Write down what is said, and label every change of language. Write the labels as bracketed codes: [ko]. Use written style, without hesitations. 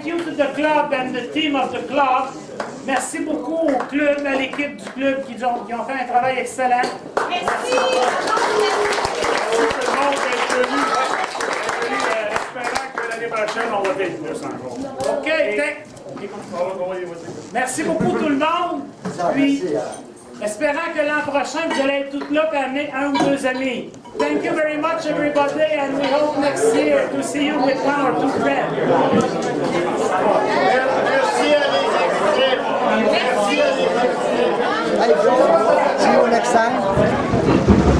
[en] The club and the team of the club. [fr] Merci beaucoup au club, à l'équipe du club qui ont fait un travail excellent. Merci. Merci. Tout le monde est venu. Espérant que l'année prochaine, on va être plus encore. OK, merci beaucoup tout le monde. Puis, espérant que l'an prochain, vous allez être toutes là et amener un ou deux amis. [en] Thank you very much, everybody, and we hope next year to see you with one or two friends. [fr] Merci à les experts. Merci à les experts. [en] See you next time.